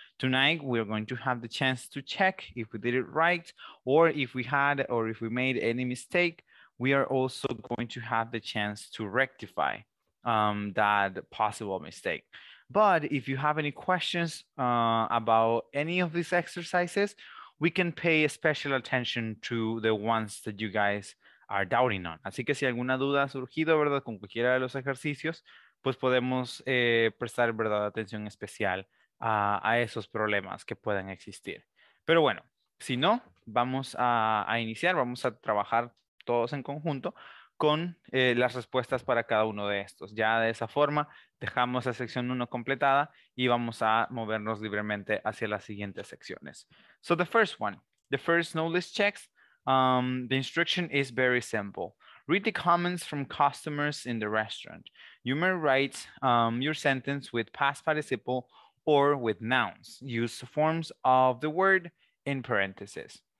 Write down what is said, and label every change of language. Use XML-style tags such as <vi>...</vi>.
<en>Tonight, we're going to have the chance to check if we did it right, or if we had, or if we made any mistake, we are also going to have the chance to rectify that possible mistake. But if you have any questions about any of these exercises, we can pay special attention to the ones that you guys are doubting on.</en> <es>Así que si alguna duda ha surgido, ¿verdad?, con cualquiera de los ejercicios, pues podemos prestar, ¿verdad?, atención especial a esos problemas que puedan existir. Pero bueno, si no, vamos a iniciar, vamos a trabajar todos en conjunto con las respuestas para cada uno de estos. Ya de esa forma, dejamos la sección 1 completada y vamos a movernos libremente hacia las siguientes secciones.</es> <en>So the first one, the first knowledge checks, the instruction is very simple. Read the comments from customers in the restaurant. You may write your sentence with past participle or with nouns. Use forms of the word in parentheses.</en>